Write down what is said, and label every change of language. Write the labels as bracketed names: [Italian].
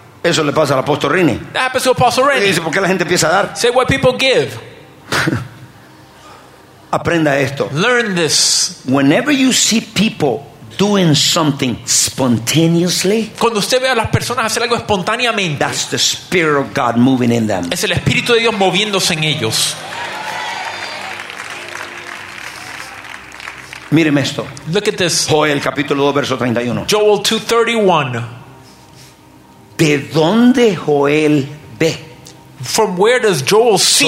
[Spanish] Eso le pasa al apóstol Rini. [English] That happens to Apostle Rini. [Spanish] Dice, ¿por qué la gente empieza a dar? [English] Say what people give. [Spanish] Aprenda esto. [English] Learn this. Whenever you see people doing something spontaneously, [Spanish] cuando usted ve a las personas hacer algo espontáneamente, [English] that's the Spirit of God moving in them. [Spanish] Es el Espíritu de Dios moviéndose en ellos. Miren esto. [English] Look at this. [Spanish] Joel capítulo 2 verso 31. [English] Joel 2:31. [Spanish] ¿De dónde Joel ve? [English] From where does Joel see?